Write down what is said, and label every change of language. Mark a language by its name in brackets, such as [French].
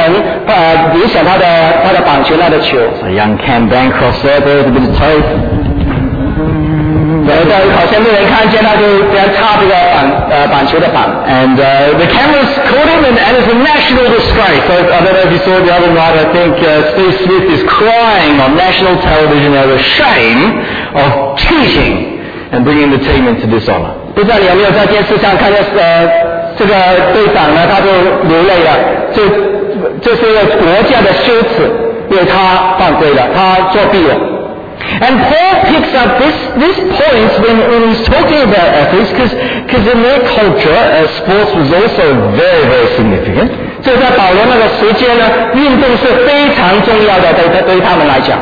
[Chinese] 他就是叫他的队员，那个bowler呢，就把一些胶纸在地图上面去成，影响他的棒球那个球。 [English] So young Cam Bancroft there, there with a bit of tape. [Chinese] 好像没人看见，他就在擦这个板球的板。 [English] And the cameras caught him, and it's a national disgrace. I don't know if you saw the other night. I think Steve Smith is crying on national television over shame of cheating and bringing the team into dishonor. [Chinese] 不知道你有没有在电视上看见这个队长呢，他就流泪了，就是国家的羞耻，因为他犯罪了，他作弊了。 [English] And Paul picks up this point when he's talking about Ephesus, because in their culture, sports was also very, very significant. [Chinese] 就在保罗那个时间呢，运动是非常重要的，对他们来讲。